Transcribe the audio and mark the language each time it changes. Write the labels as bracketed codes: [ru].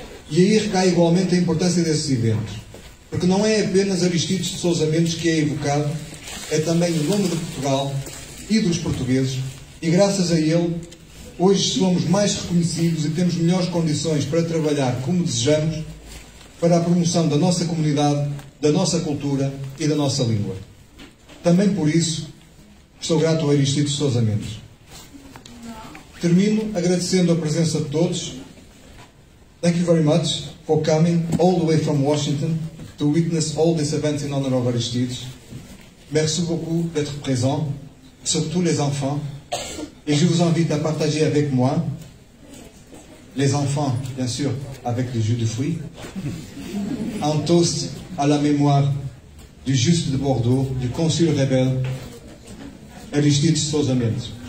[pt] E aí recai igualmente a importância desses eventos. Porque não é apenas Aristides de Sousa Mendes que é evocado, é também o nome de Portugal e dos portugueses, e graças a ele, hoje somos mais reconhecidos e temos melhores condições para trabalhar como desejamos para a promoção da nossa comunidade, da nossa cultura e da nossa língua. Também por isso, estou grato ao Aristides de Sousa Mendes. Termino agradecendo a presença de todos. [en] Thank you very much for coming all the way from Washington to witness all these events in honor of Aristides. [fr] Merci beaucoup d'être présent, surtout les enfants. Et je vous invite à partager avec moi, les enfants, bien sûr, avec le jus de fruits, un toast à la mémoire du juste de Bordeaux, du consul rebelle, Aristides Sosa Mendes.